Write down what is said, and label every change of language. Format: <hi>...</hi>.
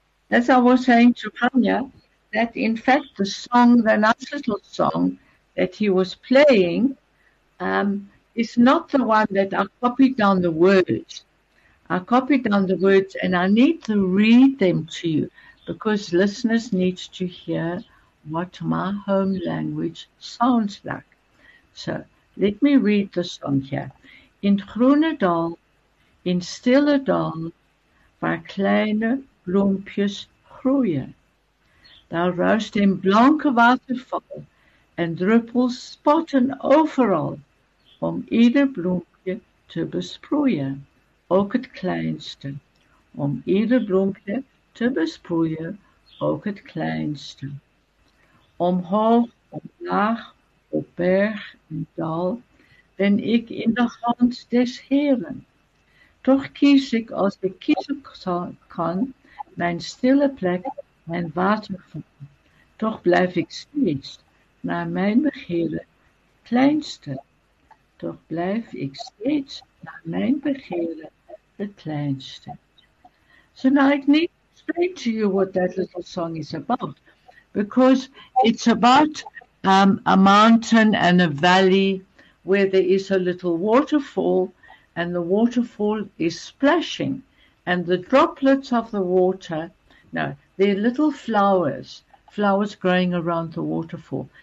<en>As I was saying to Panya, that in fact the song, the nice little song that he was playing, is not the one that I copied down the words. I copied down the words and I need to read them to you because listeners need to hear what my home language sounds like. So let me read the song here.</en> <nl>In groene dal, in stille dal, waar kleine bloempjes groeien. Daar ruist een blanke waterval en druppels spatten overal om ieder bloempje te besproeien, ook het kleinste. Om ieder bloempje te besproeien, ook het kleinste. Omhoog, omlaag, op berg en dal, ben ik in de hand des Heren. Toch kies ik als ik kiezen kan, mijn stille plek, mijn waterval. Toch blijf ik steeds, naar mijn begeerde, kleinste. Toch blijf ik steeds, naar mijn begeerde, de kleinste.</nl> <en>So now I need to explain to you what that little song is about. Because it's about a mountain and a valley where there is a little waterfall, and the waterfall is splashing, and the droplets of the water, no, they're little flowers, flowers growing around the waterfall.</en>